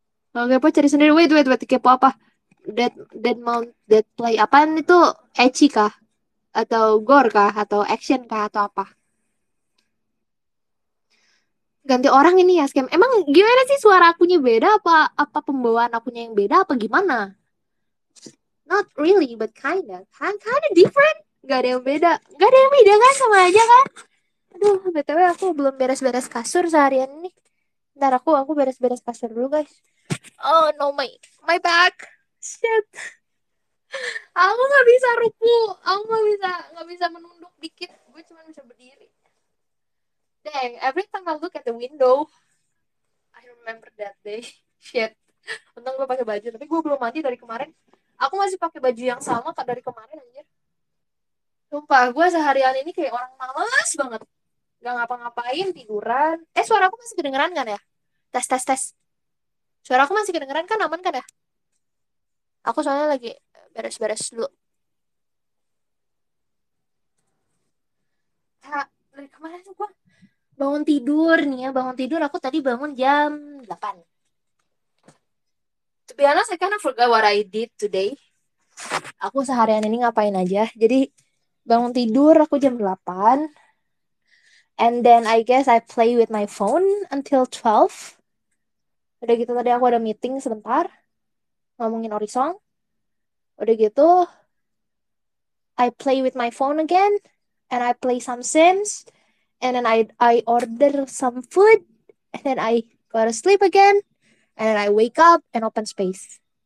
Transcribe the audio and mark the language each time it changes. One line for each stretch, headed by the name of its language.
Indonesian: Oke, po cari sendiri. Wait, kepo apa? Dead Mount Dead Play. Apaan itu? Ecchi kah? Atau gore kah? Atau action kah? Atau apa? Ganti orang ini ya, scam. Emang gimana sih suara akunya beda? Apa pembawaan akunya yang beda? Apa gimana?
English: Not really, but kinda different.
Indonesian: Gak ada yang beda kan, sama aja kan. Aduh, BTW aku belum beres-beres kasur seharian ini. Ntar aku beres-beres kasur dulu guys.
English: Oh no, my back. Shit.
Indonesian: Aku gak bisa ruku. Aku gak bisa menunduk dikit. Gue cuma bisa berdiri.
English: Dang, every time I look at the window I remember that day.
Indonesian: Shit. Untung gue pakai baju, tapi gue belum mandi dari kemarin. Aku masih pakai baju yang sama kak dari kemarin anjir. Sumpah, gue seharian ini kayak orang malas banget. Gak ngapa-ngapain, tiduran. Suara aku masih kedengeran kan ya? Tes. Suara aku masih kedengeran kan, aman kan ya? Aku soalnya lagi beres-beres dulu. Dari kemarin tuh gue bangun tidur nih ya. Bangun tidur, aku tadi bangun jam 8.
English: To be honest, I kind of forgot what I did today.
Indonesian: Aku seharian ini ngapain aja. Jadi bangun tidur aku jam 8.
English: And then I guess I play with my phone until 12.
Indonesian: Udah gitu tadi aku ada meeting sebentar. Ngomongin Orisong. Udah gitu
English: I play with my phone again and I play some Sims and then I order some food and then I go to sleep again and then I wake up and open Space.